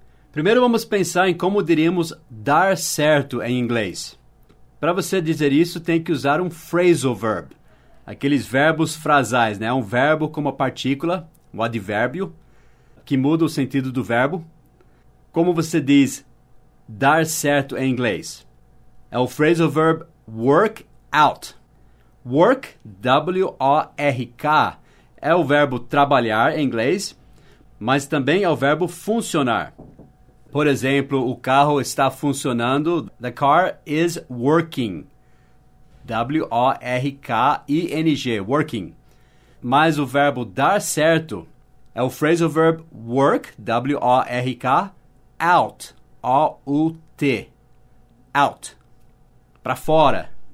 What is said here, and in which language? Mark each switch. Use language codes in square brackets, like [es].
[pt] Primeiro vamos pensar em como diríamos dar certo em inglês. Para você dizer isso, tem que usar um phrasal verb. Aqueles verbos frasais, né? Um verbo com uma partícula, um advérbio, que muda o sentido do verbo. Como você diz dar certo em inglês? É o phrasal verb work out. Work, W-O-R-K, é o verbo trabalhar em inglês, mas também é o verbo funcionar. Por exemplo, o carro está funcionando. [en] The car is working. [pt] W-O-R-K-I-N-G, working. Mas o verbo dar certo é o phrasal verb work, W-O-R-K, out, O-U-T, out, para fora.